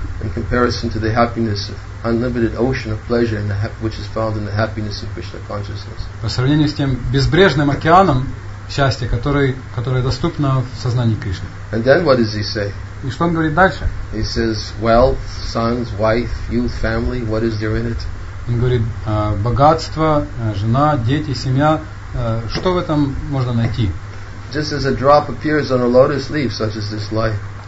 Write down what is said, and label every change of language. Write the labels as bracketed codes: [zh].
[en] In comparison to the happiness of unlimited ocean of pleasure, which is found in the happiness of Krishna consciousness. [ru] По сравнению с тем безбрежным океаном счастья, которое доступно в сознании Кришны. [en] And then what does he say? [ru] И что он говорит дальше? [en] He says wealth, sons, wife, youth, family. What is there in it? [ru] Он говорит богатство, жена, дети, семья. Что в этом можно найти? [en] Just as a drop appears on a lotus leaf, such as this life.